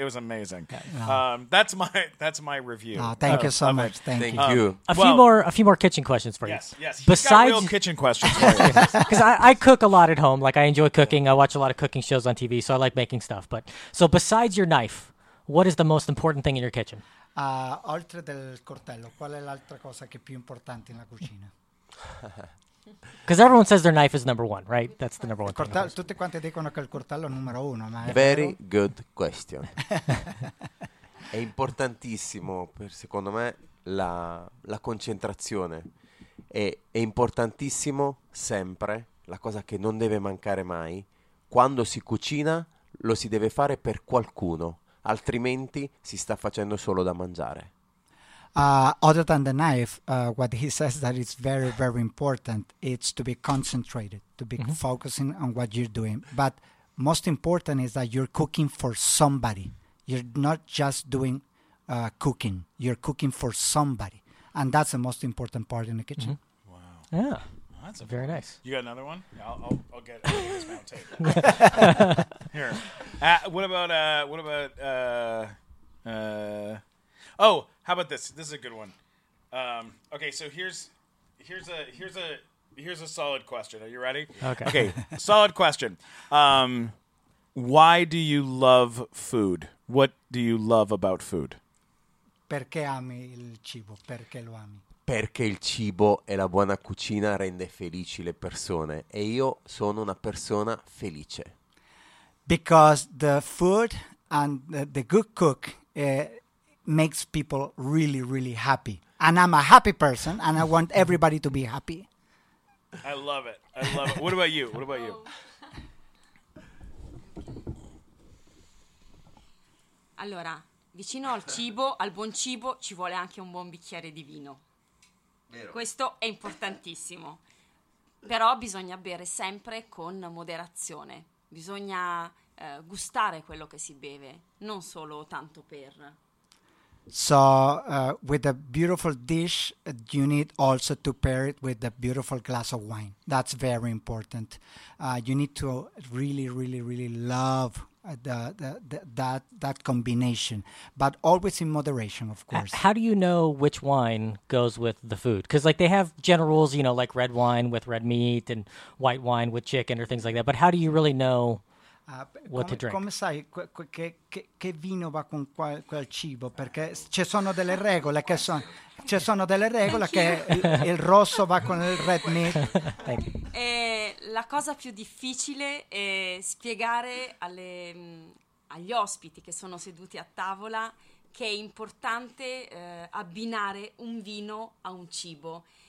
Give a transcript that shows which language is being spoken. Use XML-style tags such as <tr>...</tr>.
<en>It was amazing. That's my review. Oh, thank you so much. Thank you. A few more kitchen questions for you. Yes. Besides, got real kitchen questions for you. Because I cook a lot at home. Like, I enjoy cooking. I watch a lot of cooking shows on TV, so I like making stuff. But so besides your knife, what is the most important thing in your kitchen?</en> <it>Oltre del coltello, qual è l'altra cosa che è più importante nella cucina?</it> <en>Because everyone says their knife is number one, right? That's the number one.</en> <it>Tutti quanti dicono che il coltello è numero uno, ma</it> <en>very good question.</en> <it>È importantissimo, secondo me, la concentrazione. È importantissimo sempre, la cosa che non deve mancare mai, quando si cucina lo si deve fare per qualcuno, altrimenti si sta facendo solo da mangiare.</it> <en>Other than the knife, what he says that is very, very important, it's to be concentrated, to be focusing on what you're doing. But most important is that you're cooking for somebody. You're not just doing cooking. You're cooking for somebody. And that's the most important part in the kitchen. Wow. Yeah. That's a very nice. You got another one? I'll get this round table. Here. How about this? This is a good one. Okay, so here's a solid question. Are you ready? Okay. Okay. Solid question. Why do you love food? What do you love about food?</en> <it>Perché ami il cibo? Perché lo ami? Perché il cibo e la buona cucina rende felici le persone e io sono una persona felice.</it> <en>Because the food and the good cook makes people really, really happy. And I'm a happy person and I want everybody to be happy. I love it. What about you?</en> <it>Allora, vicino al cibo, al buon cibo, ci vuole anche un buon bicchiere di vino. Vero. Questo è importantissimo, però bisogna bere sempre con moderazione, bisogna gustare quello che si beve, non solo tanto per.</it> <en>So, with a beautiful dish, you need also to pair it with a beautiful glass of wine. That's very important. You need to really, really, really love that combination, but always in moderation, of course. How do you know which wine goes with the food? Because, like, they have general rules, you know, like red wine with red meat and white wine with chicken or things like that. But how do you really know what to drink?</en> <it>Come sai che vino va con quel cibo? Perché ci sono delle regole che sono. Ci sono delle regole che il rosso va con il</it> <en>red meat.</en> <it>E la cosa più difficile è spiegare agli ospiti che sono seduti a tavola che è importante abbinare un vino a un cibo.</it>